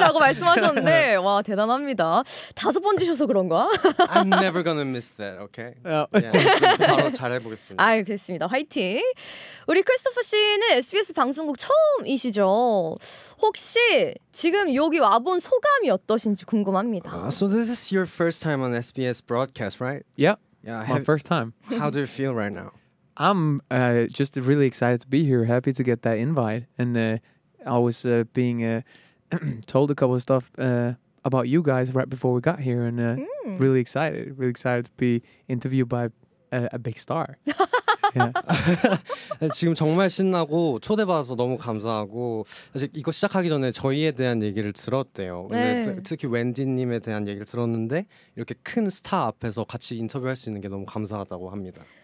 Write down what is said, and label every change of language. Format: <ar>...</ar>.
<ko>라고 말씀하셨는데. 와, 대단합니다. 다섯 번째셔서 그런가?</ko> <en>I'm never gonna miss that, okay? Yeah.</en> <ko>바로 잘해보겠습니다. 아, 알겠습니다. 화이팅! 우리 크리스토퍼 씨는 SBS 방송국 처음이시죠? 혹시 지금 여기 와본 소감이 어떠신지 궁금합니다.</ko> <en>So this is your first time on SBS broadcast, right? Yep. Yeah, my first time. How do you feel right now? I'm just really excited to be here. Happy to get that invite. And I was being told a couple of stuff about you guys right before we got here. And really excited. Really excited to be interviewed by a big star. Yeah.</en> <ko>지금 정말 신나고 초대받아서 너무 감사하고 아직 이거 시작하기 전에 저희에 대한 얘기를 들었대요. 네. 특히 웬디님에 대한 얘기를 들었는데 이렇게 큰 스타 앞에서 같이 인터뷰할 수 있는 게 너무 감사하다고 합니다.</ko>